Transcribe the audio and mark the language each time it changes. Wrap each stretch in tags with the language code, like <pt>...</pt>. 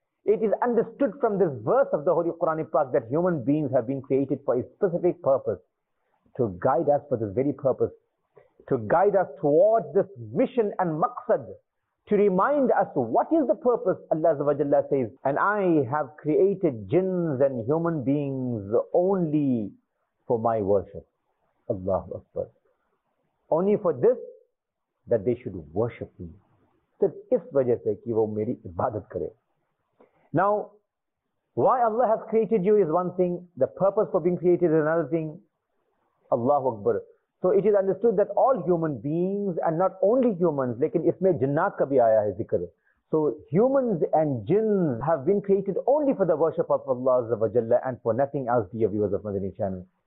<en>It is understood from this verse of the Holy Quran Pak that human beings have been created for a specific purpose, to guide us for this very purpose, to guide us towards this mission and maqsad, to remind us what is the purpose. Allah Azza wa Jalla says, and I have created jinns and human beings only for my worship. Allahu Akbar. Only for this, that they should worship me.</en> <ur>صرف اس وجہ سے کہ وہ میری عبادت کرے.</ur> <en>Now, why Allah has created you is one thing. The purpose for being created is another thing. Allahu Akbar. So it is understood that all human beings, and not only humans,</en> <ur>lekin isme jinnat ka bhi aaya hai zikr.</ur> <en>So humans and jinns have been created only for the worship of Allah Azza wa Jalla and for nothing else, dear viewers of Madani Channel.</en>